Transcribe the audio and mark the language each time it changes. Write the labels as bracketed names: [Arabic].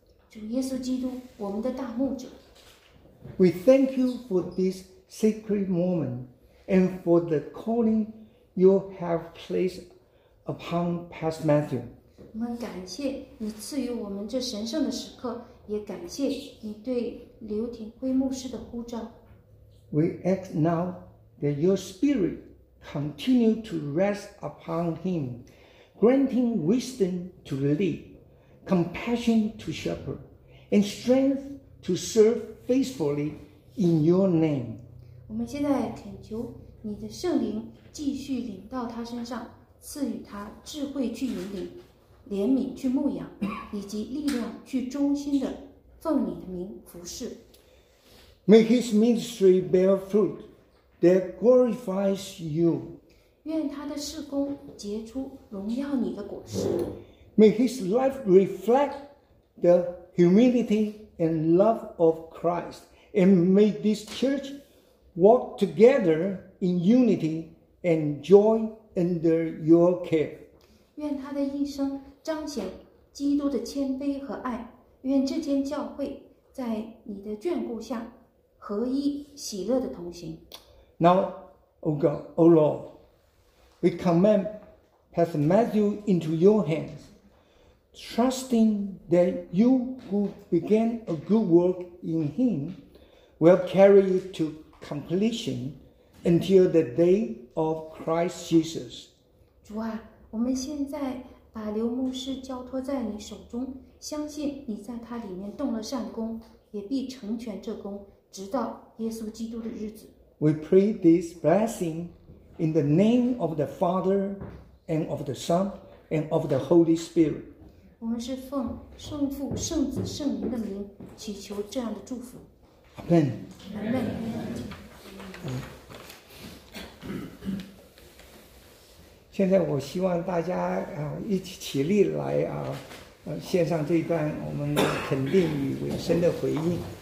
[Chinese] 主耶稣基督，我们的大牧者。 [English] We thank you for this sacred moment and for the calling you have placed upon Pastor Matthew. [Chinese] 我们感谢你赐予我们这神圣的时刻，也感谢你对刘廷辉牧师的呼召。 [English] We ask now that your spirit continue to rest upon him, granting wisdom to lead, compassion to shepherd, and strength to serve faithfully in your name. [Chinese] 我们现在恳求你的圣灵继续临到他身上，赐予他智慧去引领，怜悯去牧养，以及力量去忠心的奉你的名服侍。 [English] May his ministry bear fruit that glorifies you. [Chinese] 愿他的事工结出荣耀你的果实。 [English] May his life reflect the humility and love of Christ. And may this church walk together in unity and joy under your care. [Chinese] 愿他的一生彰显基督的谦卑和爱。愿这间教会在你的眷顾下合一喜乐的同行。 [English] Now, O God, O Lord, we commend Pastor Matthew into your hands, trusting that you who began a good work in him will carry it to completion until the day of Christ Jesus. [Chinese] 主啊，我们现在把刘牧师交托在你手中，相信你在他里面动了善功，也必成全这功。直到耶稣基督的日子。 [English] We pray this blessing in the name of the Father and of the Son and of the Holy Spirit. [Chinese] 我们是奉圣父、圣子、圣灵的名祈求这样的祝福。 [English] Amen. Amen. Amen. [Chinese] 现在我希望大家一起起立来献上这一段我们肯定与委身的回应。